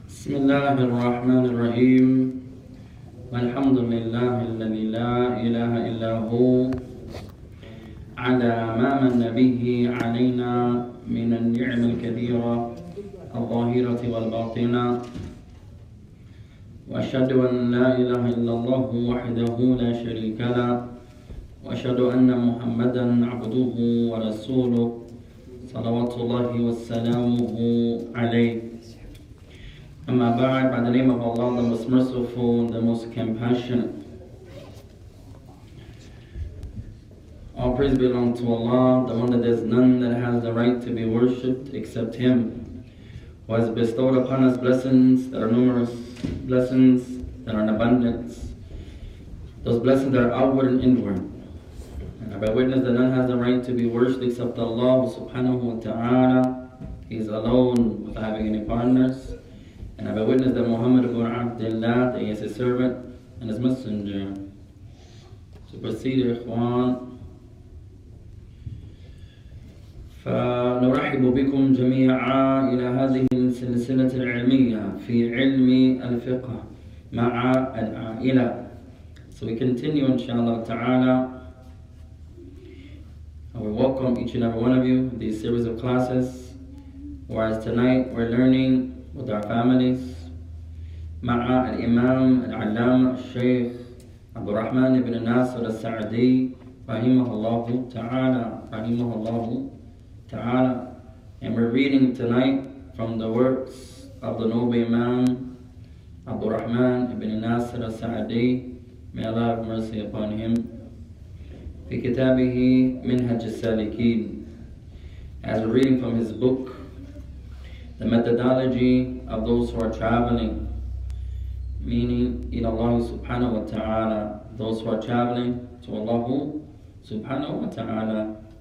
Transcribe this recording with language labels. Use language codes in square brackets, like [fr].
[ar] الله الرحمن الرحيم الحمد لله الذي لا إله إلا هو على ما من به علينا من النعم الكثيرة الظاهرة والباطنة وأشهد أن لا إله إلا الله وحده لا شريك له وأشهد أن محمدا عبده ورسوله صلوات الله وسلامه عليه. [en] Amma ba'ad, by the name of Allah, the most merciful, the most compassionate. All praise belong to Allah, the one that there's none that has the right to be worshipped except Him, who has bestowed upon us blessings that are numerous, blessings that are in abundance, those blessings that are outward and inward. And I bear witness that none has the right to be worshipped except Allah subhanahu wa ta'ala. He is alone without having any partners. And I bear witness that Muhammad ibn Abdullah, that he is his servant and his messenger. So proceed, ikhwan. [ar] فنرحب بكم جميعا إلى هذه السلسلة العلمية في علم الفقه مع العائلة. [en] So we continue, inshallah ta'ala. And we welcome each and every one of you to these series of classes. Whereas tonight we're learning with our families, [ar] مع الإمام العلامة الشيخ عبد الرحمن بن ناصر السعدي رحمه الله تعالى. [en] And we're reading tonight from the works of the noble Imam عبد الرحمن بن ناصر السعدي, may Allah have mercy upon him, [ar] في كتابه منهج السالكين, [en] as we're reading from his book, The Methodology of Those Who Are Traveling, meaning in Allah subhanahu wa ta'ala, those who are traveling to Allah subhanahu wa ta'ala.